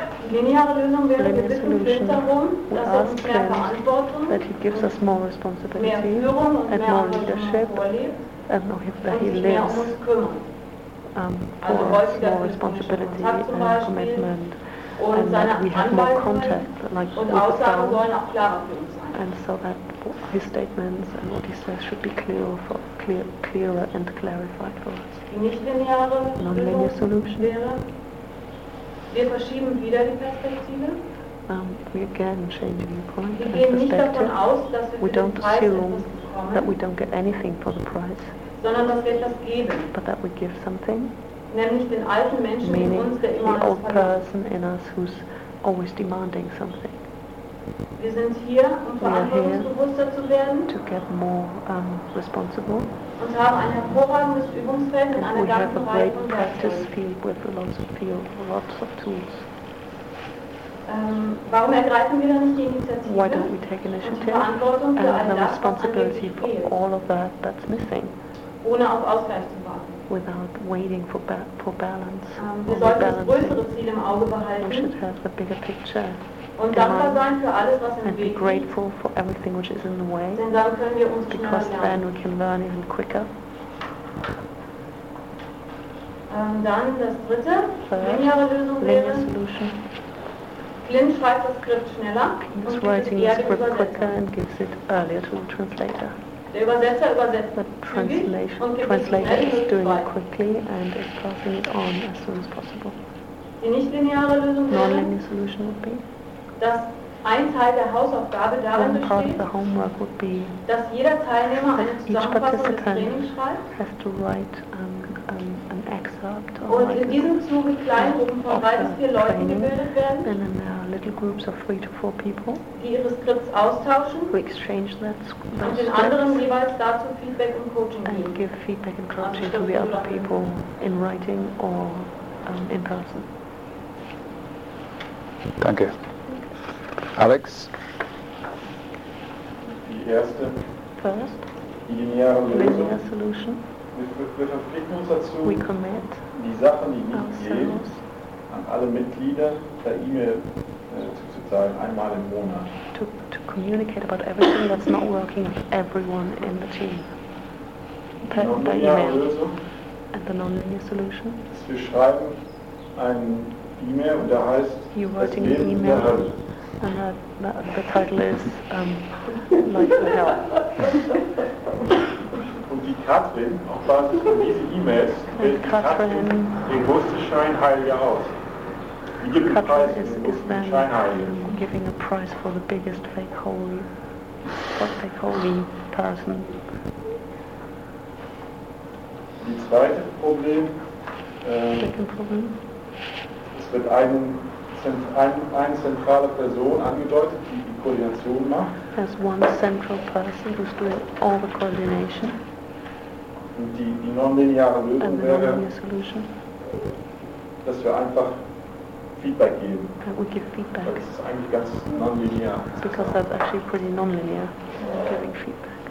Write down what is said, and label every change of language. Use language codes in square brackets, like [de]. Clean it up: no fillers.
[de] Die lineare Lösung wäre, wir bitten Flint darum, dass er uns mehr Verantwortung, [en] that he gives us more responsibility, [de] mehr Führung und mehr [en] Leadership [de] vorlebt, [en] and [de] und [en] that he [de] sich [en] lives, [de] mehr um uns kümmert. [en] Also more responsibility and commitment [de] und [en] that [de] seine [en] we have more contact, like [de] und Aussagen sollen auch klarer für uns sein. [en] And so that his statements and what he says should be clearer and clarified for us. [de] Die [en] non-linear solution [de] wäre, wir verschieben wieder die Perspektive. [en] We again change the viewpoint. [de] Wir gehen nicht davon aus, dass wir für den Preis etwas bekommen, [en] that we don't get anything for the price, [de] sondern dass wir etwas geben. [en] But that we give something. [de] Nämlich den alten Menschen [en] meaning [de] in uns, der immer [en] the old person in us who's always demanding something. [de] Wir sind hier, um verantwortungsbewusster zu werden. [en] To get more responsible. [de] Und haben ein hervorragendes Übungsfeld in einer ganzen Reihe von Werkzeugen. [en] Practice field with lots of tools. [de] Warum ergreifen wir dann nicht die Initiative? [en] Why don't we take initiative [de] und die Verantwortung für [en] all of that that's missing? [de] Ohne auf Ausgleich zu warten. [en] Without waiting for balance. [de] Wir sollten das größere Ziel im Auge behalten. [en] We should have the bigger picture. [de] Und dankbar sein für alles, was im [en] and [de] Weg [en] be grateful for everything which is in the way, [de] denn dann können wir uns [en] because [de] schneller lernen. [en] Then we can learn even quicker. [de] Dann das dritte, lineare Lösung wäre, Flint schreibt das Skript schneller [en] he's [de] und gibt es eher dem Übersetzer. [en] Quicker and gives it earlier to the translator. [de] Der Übersetzer übersetzt [en] the translation, [de] und gibt [en] translator [de] es schneller [en] doing it quickly and is passing it on as soon as possible. [de] Die nicht-lineare Lösung wäre, [en] non-linear solution would be, [de] dass ein Teil der Hausaufgabe darin besteht, [en] be, [de] dass jeder Teilnehmer eine Zusammenfassung des Trainings schreibt [en] has to write, an excerpt or [de] und [en] like [de] in diesem Zuge kleine Gruppen von 3 bis 4 Leuten gebildet werden, [en] and in little groups of 3 to 4 people, [de] die ihre Skripts austauschen [en] we exchange those [de] und den anderen jeweils dazu Feedback und Coaching [en] and Give feedback and coaching to the other people in writing or in person. [de] Danke. Alex? Die erste [en] first, [de] lineare [en] Solution. [de] Wir verpflichten uns dazu, [en] we commit [de] die Sachen, die nicht gehen, an alle Mitglieder per E-Mail zuzuteilen, einmal im Monat. [en] To communicate about everything that's not working with everyone in the team. [de] Per E-Mail. [en] And the non-linear solution. [de] Wir schreiben ein E-Mail und da heißt, [en] you're writing an E-Mail. And the title is Life to Help. [de] Und die Katrin, auf Basis von diesen E-Mails, wählt Katrin den größten Scheinheilige aus. Wie gibt Katrin den Preis [en] is then giving a prize for the biggest fake holy person. [de] Die zweite Problem, [en] second problem. [de] Es wird eine zentrale Person angedeutet, die die Koordination macht. [en] As one central person who's doing all the coordination. [de] Und die non-lineare Lösung wäre, [en] solution. [de] Dass wir einfach Feedback geben. [en] That we give feedback. [de] Das ist eigentlich ganz non-linear. [en] Because that's actually pretty non-linear, giving feedback.